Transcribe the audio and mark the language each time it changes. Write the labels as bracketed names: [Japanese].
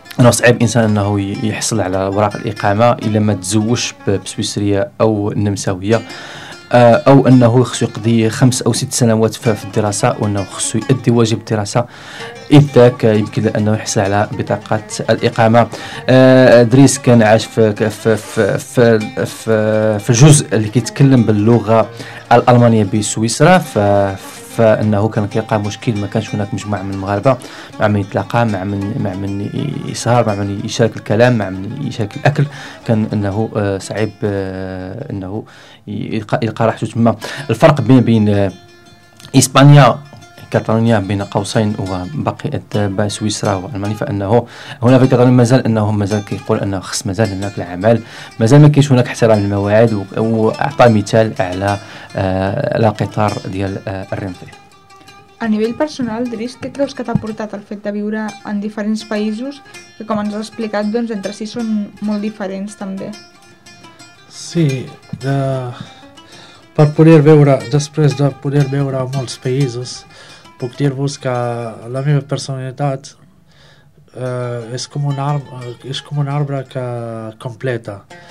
[Arabic] صعب انسان انه يحصل على اوراق الاقامه الا ما تزوجش بسويسريه او نمساويه, او انه خصو يقضي 5 أو 6 سنوات في الدراسه, وانه خصو يؤدي واجب الدراسه, اذ ذاك يمكن انه يحصل على بطاقه الاقامه. ادريس كان عاش في الجزء اللي كيتكلم باللغه الالمانيه بسويسرا, فانه كان كيلقى مشكل, ما كانش هناك مجموعه من المغاربه مع من يتلاقى, مع من يسهر, مع من يشارك الكلام, مع من يشارك الاكل, كان انه صعيب انه يلقى راحته تما. الفرق بين اسبانيا كاتالونيا بين قوسين وباقي سويسرا والمانيا, فانه هنا في كاتالونيا مازال كيقول انه خص مازال هناك العمل, مازال ما كاينش هناك احترام المواعيد, واعطى مثال على [Catalan] la guitar del Renfe. A nivell personal, Dris, què creus que t'ha portat el fet de viure en diferents països, que com ens has explicat, doncs entre si són molt diferents també? Sí, per poder veure, després de poder veure molts països, puc dir-vos que la meva personalitat és com un arbre que completa.